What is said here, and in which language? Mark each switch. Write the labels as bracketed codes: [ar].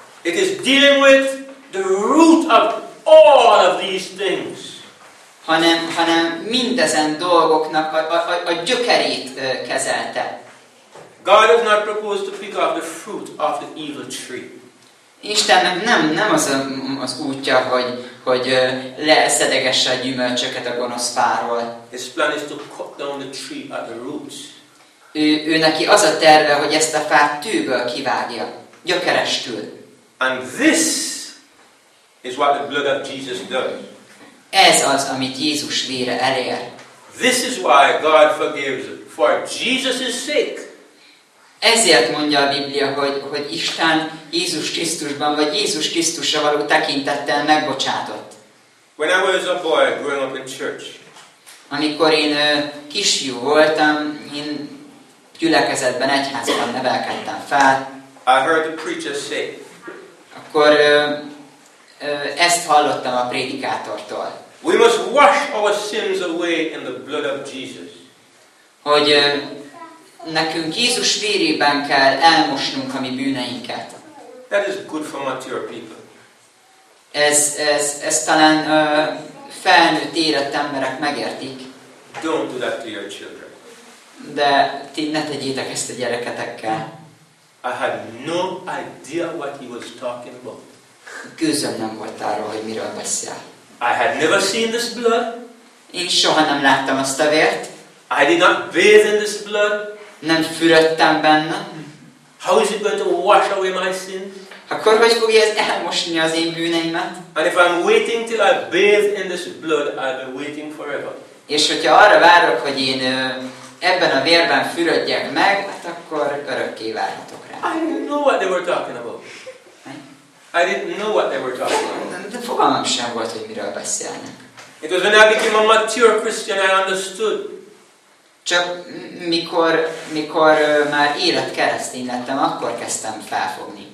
[en] It is dealing with the root of all of these things. [hu] Hanem mindezen dolgoknak a gyökerét kezelte. [en] God has not proposed to pick off the fruit of the evil tree. [hu] Istennek nem az az útja, hogy leszedegesse a gyümölcsöket a gonosz fáról. [en] His plan is to cut down the tree at the roots. [hu] Ő neki az a terve, hogy ezt a fát tűből kivágja, gyökerestül. [en] And this is what the blood of Jesus does. [hu] Ez az, amit Jézus vére elér. [en] This is why God forgives for Jesus' sake. [hu] Ezért mondja a Biblia, hogy Isten Jézus Krisztusban, vagy Jézus Krisztusra való tekintettel megbocsátott. [en] When I was a boy growing up in church. [hu] Amikor én kisfiú voltam, én gyülekezetben, egyházban nevelkedtem fel. [en] I heard the preacher say. [hu] Akkor ezt hallottam a prédikátortól. [en] We must wash our sins away in the blood of Jesus. [hu] Hogy nekünk Jézus vérében kell elmosnunk a mi bűneinket. [en] That is good for mature people. [hu] Ez talán felnőtt érett emberek megértik. [en] Don't do that to your children. [hu] De ti ne tegyétek ezt a gyereketekkel. [en] I had no idea what he was talking about. [hu] Gőzöm nem volt arra, hogy miről beszél. [en] I had never seen this blood. [hu] Én soha nem láttam azt a vért. [en] I did not bathe in this blood. [hu] Nem fürödtem benne. [en] How is it going to wash away my sins? [hu] Akkor hogy fogja ez elmosni az én bűneimet? [en] And if I'm waiting till I bathe in this blood, I'll be waiting forever. [hu] És hogyha arra várok, hogy én ebben a vérben fürödjek meg, hát akkor örökké várhatok rá. [en] I didn't know what they were talking about. I didn't know what they were talking about. [hu] De fogalmam sem volt, hogy miről beszélnek. [en] It was when I became a mature Christian, I understood. [hu] Csak mikor már élet keresztény lettem, akkor kezdtem felfogni.